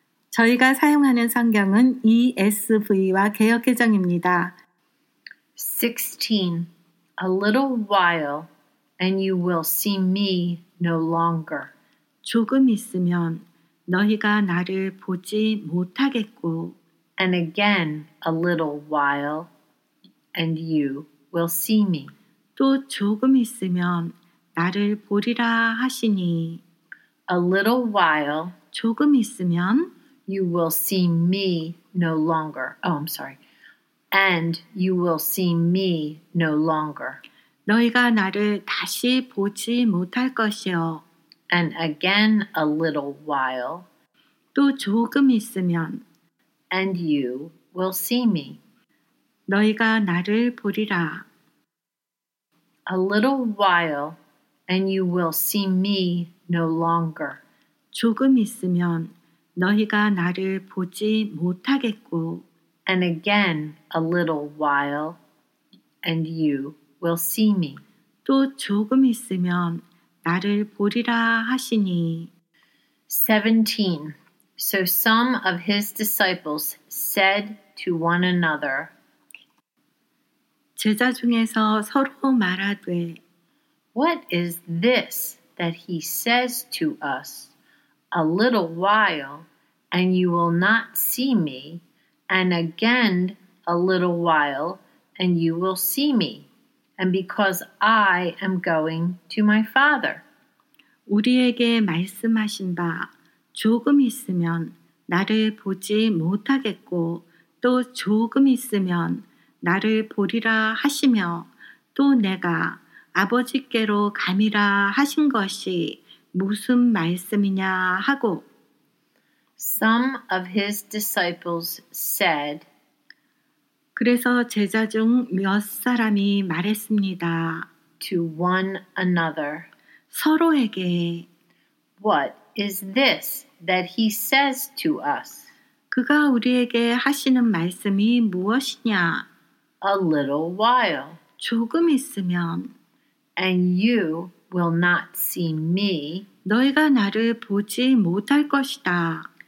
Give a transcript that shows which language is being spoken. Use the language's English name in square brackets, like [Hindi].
[Korean] 저희가 사용하는 성경은 ESV와 개역개정입니다. 16. [English] A little while and you will see me no longer. [Korean] 조금 있으면 너희가 나를 보지 못하겠고. [English] And again, a little while and you will see me. [Korean] 또 조금 있으면 나를 보리라 하시니 [English] A little while [Korean] 조금 있으면 [English] You will see me no longer. Oh, I'm sorry. And you will see me no longer. [Korean] 너희가 나를 다시 보지 못할 것이요. [English] And again a little while [Korean] 또 조금 있으면 [English] And you will see me. [Korean] 너희가 나를 보리라 [English] A little while And you will see me no longer. [Korean] 조금 있으면 너희가 나를 보지 못하겠고. [English] And again a little while and you will see me. [Korean] 또 조금 있으면 나를 보리라 하시니. [English] 17. So some of his disciples said to one another. [Korean] 제자 중에서 서로 말하되. [English] What is this that he says to us? A little while, and you will not see me, and again a little while, and you will see me, and because I am going to my Father. [Korean] 우리에게 말씀하신 바, 조금 있으면 나를 보지 못하겠고, 또 조금 있으면 나를 보리라 하시며, 또 내가 아버지께로 감이라 하신 것이 무슨 말씀이냐 하고 [English] Some of his disciples said [Korean] 그래서 제자 중 몇 사람이 말했습니다. [English] To one another [Korean] 서로에게 [English] What is this that he says to us? [Korean] 그가 우리에게 하시는 말씀이 무엇이냐 [English] A little while [Korean] 조금 있으면 [English] And you will not see me. [Korean] 너희가 나를 보지 못할 것이다.